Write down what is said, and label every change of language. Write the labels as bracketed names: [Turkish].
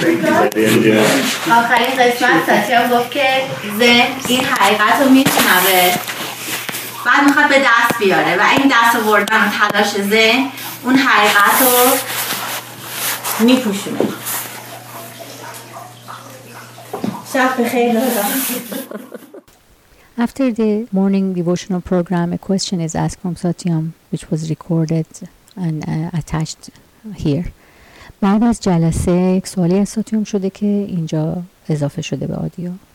[Persian] آخرین قسمت ستیام گفت که ذهن این حقیقت رو میشنوه بعد میخواد به دست بیاره و این دست رو بردن و تلاش ذهن اون حقیقت رو میپوشونه شب بخیر [English] After the morning devotional program, a question is asked from Satyam, which was recorded and attached here. [Persian] بعد از جلسه یک سوالی از ساتیوم شده که اینجا اضافه شده به آدیو.